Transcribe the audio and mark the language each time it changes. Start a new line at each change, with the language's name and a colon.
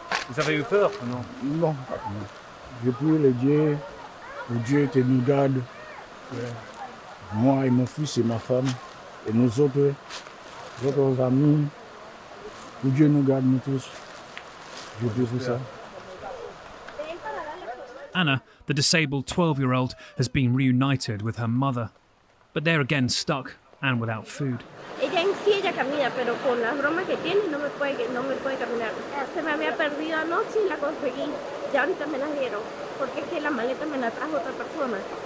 French: Vous avez eu peur, non? Non, pas non. Je prie le Dieu, te nous garde. Moi et mon fils et ma femme, et nos autres, amis, que Dieu nous garde, nous tous. Je vous dis ça.
English: Anna, the disabled 12-year-old, has been reunited with her mother. But they're again stuck and without food.
Spanish: Ella en sí, ella camina, pero con las bromas que tiene, no me puede caminar. Se me había perdido anoche y la conseguí. Ya ahorita me la dieron, porque es que la maleta me la trajo otra persona.